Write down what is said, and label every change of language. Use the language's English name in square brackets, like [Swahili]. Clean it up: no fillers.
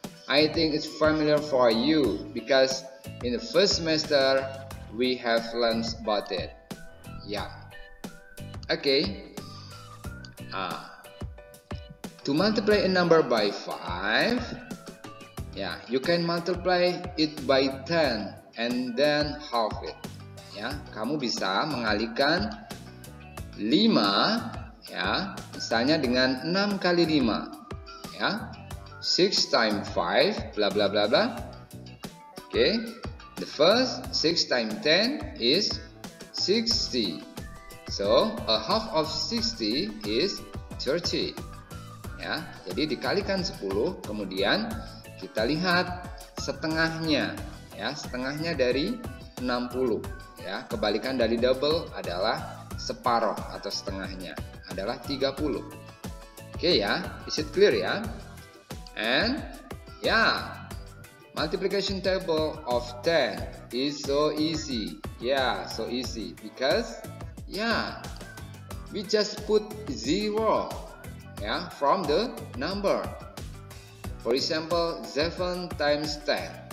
[English] I think it's familiar for you because in the first semester we have learned about it. Yeah. Okay. To multiply a number by 5, yeah, you can multiply it by 10 and then half it. [Indonesian] Yeah, kamu bisa mengalikan 5, yeah, misalnya dengan 6 kali 5, yeah, [English] 6 times 5, [Indonesian] blah blah blah blah. [English] Okay, the first 6 times 10 is 60. So a half of 60 is 30. [Indonesian] Ya, jadi dikalikan 10, kemudian kita lihat setengahnya, ya, setengahnya dari 60, ya, kebalikan dari double adalah separoh atau setengahnya adalah 30. [English] Oke, ya, is it clear, ya? And yeah, multiplication table of 10 is so easy. Yeah, so easy because yeah, we just put 0. Yeah, from the number. For example, 7 times 10.